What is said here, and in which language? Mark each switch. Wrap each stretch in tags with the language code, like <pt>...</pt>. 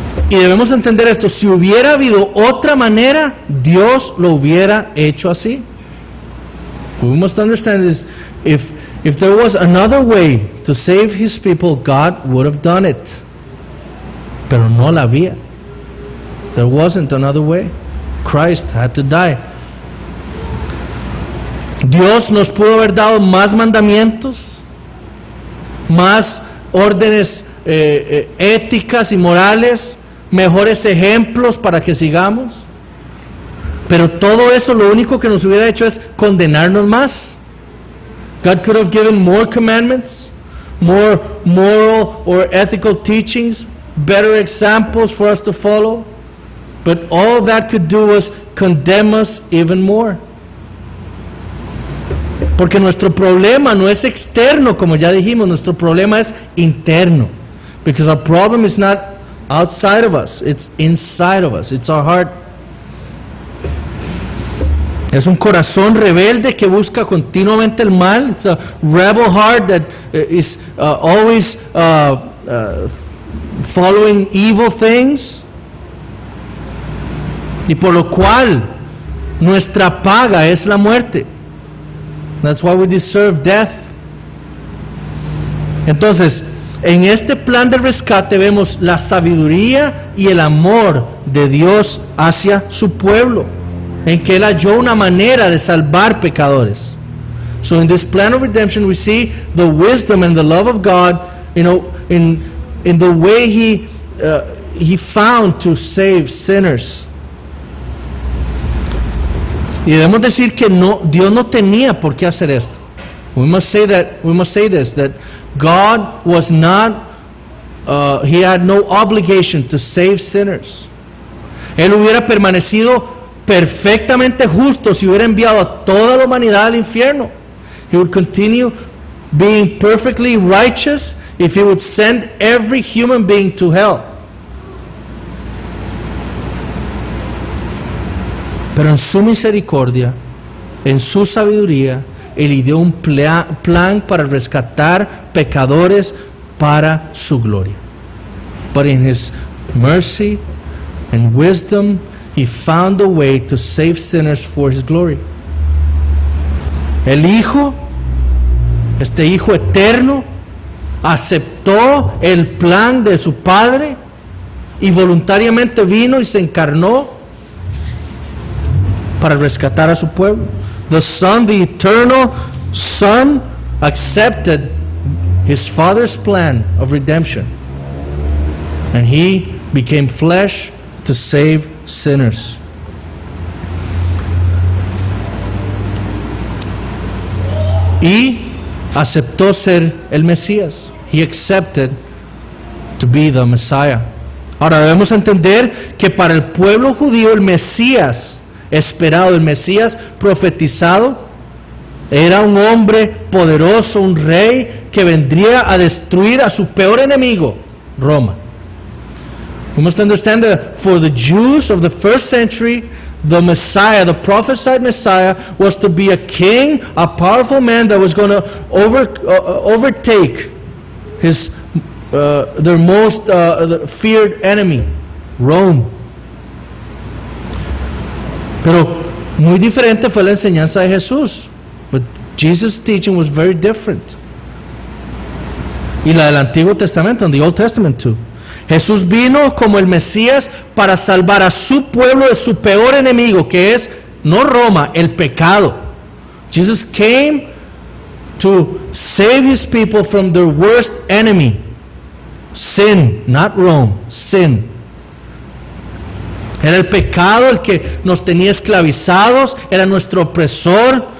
<es>Y debemos entender esto: si hubiera habido otra manera, Dios lo hubiera hecho así.</es> <en>We must understand this: if there was another way to save his people, God would have done it.</en> <es>Pero no la había.</es> <en>There wasn't another way. Christ had to die.</en> <es>Dios nos pudo haber dado más mandamientos, más órdenes éticas y morales, mejores ejemplos para que sigamos. Pero todo eso, lo único que nos hubiera hecho es condenarnos más.</es> <en>God could have given more commandments, more moral or ethical teachings, better examples for us to follow. But all that could do was condemn us even more.</en> <es>Porque nuestro problema no es externo, como ya dijimos, nuestro problema es interno.</es> <en>Because our problem is not outside of us, it's inside of us, it's our heart.</en> <es>Es un corazón rebelde que busca continuamente el mal.</es> <en>It's a rebel heart that is always following evil things.</en> <es>Y por lo cual nuestra paga es la muerte.</es> <en>That's why we deserve death.</en> <es>Entonces, en este plan de rescate vemos la sabiduría y el amor de Dios hacia su pueblo, en que Él halló una manera de salvar pecadores.</es> <en>So in this plan of redemption we see the wisdom and the love of God, you know, in the way he found to save sinners.</en> <es>Y debemos decir que no, Dios no tenía por qué hacer esto.</es> <en>We must say this, that God was not, he had no obligation to save sinners.</en> <es>Él hubiera permanecido perfectamente justo si hubiera enviado a toda la humanidad al infierno.</es> <en>He would continue being perfectly righteous if he would send every human being to hell.</en> <es>Pero en su misericordia, en su sabiduría, Él ideó un plan para rescatar pecadores para su gloria.</es> <en>But in His mercy and wisdom, He found a way to save sinners for His glory.</en> <es>El Hijo, este Hijo eterno, aceptó el plan de su Padre y voluntariamente vino y se encarnó para rescatar a su pueblo.</es> <en>The Son, the Eternal Son, accepted His Father's plan of redemption, and He became flesh to save sinners.</en> <es>Y aceptó ser el Mesías.</es> <en>He accepted to be the Messiah.</en> <es>Ahora debemos entender que para el pueblo judío el Mesías esperado, el Mesías profetizado, era un hombre poderoso, un rey que vendría a destruir a su peor enemigo, Roma.</es> <en>We must understand that for the Jews of the first century, the Messiah, the prophesied Messiah, was to be a king, a powerful man that was going to overtake his their most feared enemy, Rome.</en> <es>Pero muy diferente fue la enseñanza de Jesús.</es> <en>But Jesus' teaching was very different.</en> <es>Y la del Antiguo Testamento,</es> <en>and the Old Testament too.</en> <es>Jesús vino como el Mesías para salvar a su pueblo de su peor enemigo, que es, no Roma, el pecado.</es> <en>Jesus came to save his people from their worst enemy. Sin, not Rome, sin.</en> <es>Era el pecado el que nos tenía esclavizados, era nuestro opresor.</es>